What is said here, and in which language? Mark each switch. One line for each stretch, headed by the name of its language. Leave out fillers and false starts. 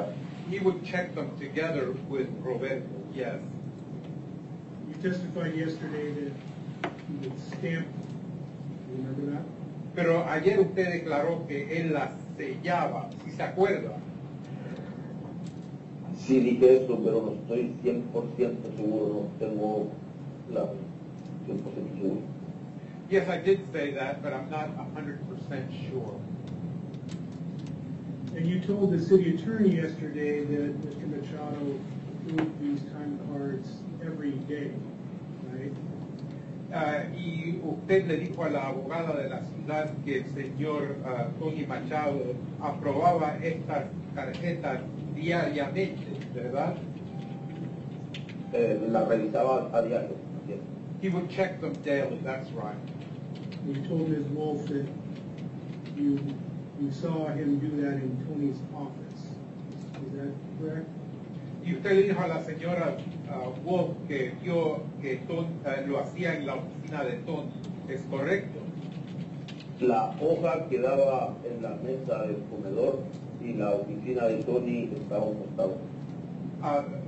English: Yeah. He would check them together with Roberto, yes. You testified yesterday that he would stamp, remember that?
Spanish: Pero ayer usted declaró que él la sellaba, si se acuerda. Sí, dije eso, pero no estoy 100% seguro, no tengo la 100% seguro.
English: Yes, I did say that, but I'm not 100% sure. And you told the city attorney yesterday that Mr. Machado approved these time cards every day, right?
Spanish: Y usted le dijo a la abogada de la ciudad que el señor Tony Machado aprobaba estas tarjetas diariamente, ¿verdad? La revisaba a diario.
English: He would check them daily, that's right. You told Ms. Wolf that you saw him do that in Tony's office. Is that correct?
Spanish: Y usted le dijo a la señora Wolf que vio que lo hacía en la oficina de Tony. ¿Es correcto? La hoja quedaba en la mesa del comedor y la oficina de Tony estaba acostada.